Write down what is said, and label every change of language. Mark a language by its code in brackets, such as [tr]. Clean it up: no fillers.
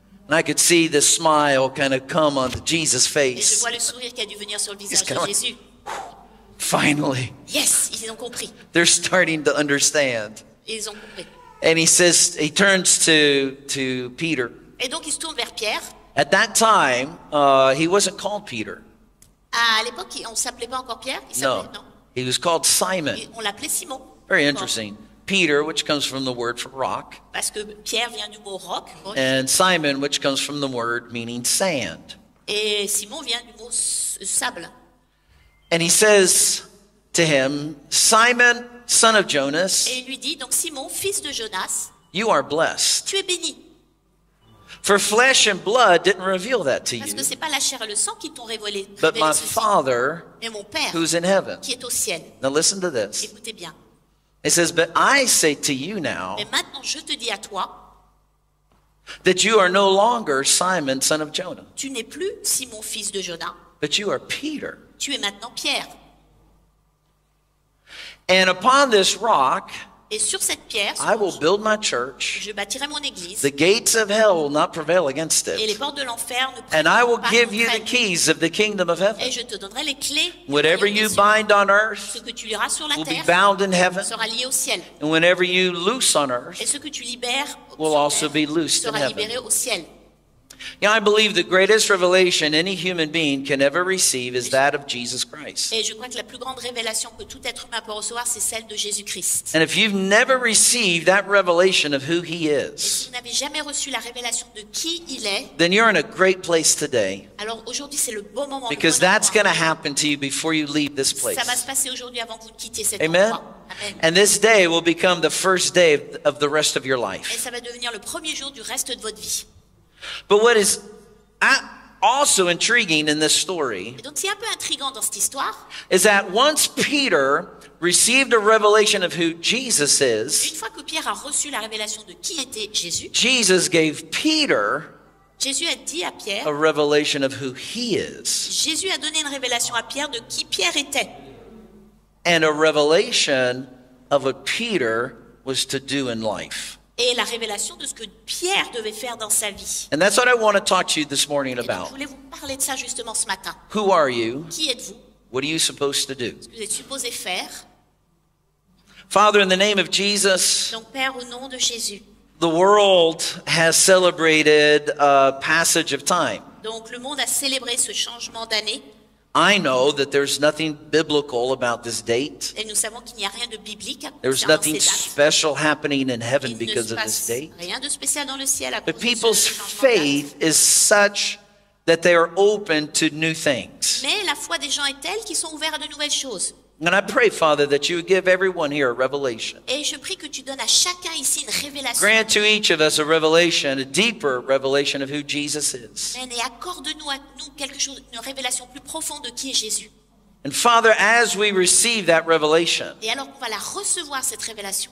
[en] And I could see the smile kind of come on Jesus' face. [fr] Et je vois le sourire qui a dû venir sur le visage de Jésus. Whew, [en] finally. Yes, [fr] ils ont compris. [en] They're starting to understand. [fr] Ils ont compris. [en] And he turns to Peter. [fr] Et donc il se tourne vers Pierre. [en] At that time, he wasn't called Peter. [fr] À l'époque, on s'appelait pas encore Pierre. Il s'appelait, non. [en] He was called Simon. [fr] Et on l'appelait Simon. [en] Very interesting. Peter, which comes from the word for rock. [fr] Parce que Pierre vient du mot roc. [en] And Simon, which comes from the word meaning sand. [fr] Et Simon vient du mot sable. [en] And he says to him, Simon, son of Jonas. [fr] Et il lui dit, donc Simon, fils de Jonas. [en] You are blessed. [fr] Tu es béni. [en] For flesh and blood didn't reveal that to you. [fr] Parce que c'est pas la chair et le sang qui t'ont révélé ceci. [en] But my father, [fr] et mon père, [en] who's in heaven. [fr] Qui est au ciel. [en] Now listen to this. [fr] Écoutez bien. [en] It says, but I say to you now [fr] je te dis à toi, [en] that you are no longer Simon, son of Jonah. [fr] Tu n'es plus Simon, fils de Jonah. [en] But you are Peter. [fr] Tu es maintenant Pierre. [en] And upon this rock, [fr] et sur cette pierre, [en] I will build my church. [fr] Je bâtirai mon église. [en] The gates of hell will not prevail against it. [fr] Et les portes de l'enfer ne prévaleront. [en] And I will give you the keys of the kingdom of heaven. [fr] Et je te donnerai les clés. [en] Whatever you bind on earth, [fr] ce que tu liras sur la terre, [en] will be bound in heaven. [fr] Sera lié au ciel. [en] And whenever you loose on earth, [fr] et ce que tu libères [en] will also be loosed in heaven. [fr] Sera libéré au ciel. [en] Yeah, I believe the greatest revelation any human being can ever receive is that of Jesus Christ. [fr] Et je crois que la plus grande révélation que tout être humain peut recevoir, c'est celle de Jésus-Christ. [en] And if you've never received that revelation of who he is, [fr] et si vous n'avez jamais reçu la révélation de qui il est, [en] then you're in a great place today. [fr] Alors aujourd'hui, c'est le bon moment. [en] Because that's going to happen to you before you leave this place. [fr] Ça va se passer aujourd'hui avant que vous quittiez cet endroit. Amen. [en] And this day will become the first day of the rest of your life. [fr] Et ça va devenir le premier jour du reste de votre vie. [en] But what is also intriguing in this story, [fr] donc, c'est un peu intriguant dans cette histoire, [en] is that once Peter received a revelation of who Jesus is, [fr] une fois que Pierre a reçu la révélation de qui était Jésus, [en] Jesus gave Peter, [fr] Jésus a dit à Pierre, [en] a revelation of who he is. [fr] Jésus a donné une révélation à Pierre de qui Pierre était. [en] And a revelation of what Peter was to do in life. [fr] Et la révélation de ce que Pierre devait faire dans sa vie. [en] And that's what I want to talk to you this morning about. [fr] Je voulais vous parler de ça justement ce matin. [en] Who are you? [fr] Qui êtes-vous? [en] What are you supposed to do? [fr] Ce que vous êtes supposé faire. [en] Father, in the name of Jesus. [fr] Donc, Père, au nom de Jésus. [en] The world has celebrated a passage of time. [fr] Donc, le monde a célébré ce changement d'année. [en] I know that there's nothing biblical about this date. [fr] Et nous savons qu'il n'y a rien de biblique. [en] There's nothing special happening in heaven because of this date. [fr] Rien de spécial dans le ciel à cause de ce [en] But people's faith is such that they are open to new things. [fr] Mais la foi des gens est telle qu'ils sont ouverts à de nouvelles choses. [en] And I pray, Father, that you would give everyone here a revelation. [fr] Et je prie que tu donnes à chacun ici une révélation. [en] Grant to each of us a revelation, a deeper revelation of who Jesus is. [fr] Et accorde-nous à nous quelque chose, une révélation plus profonde de qui est Jésus. [en] And Father, as we receive that revelation, [fr] et alors qu'on va la recevoir, cette révélation,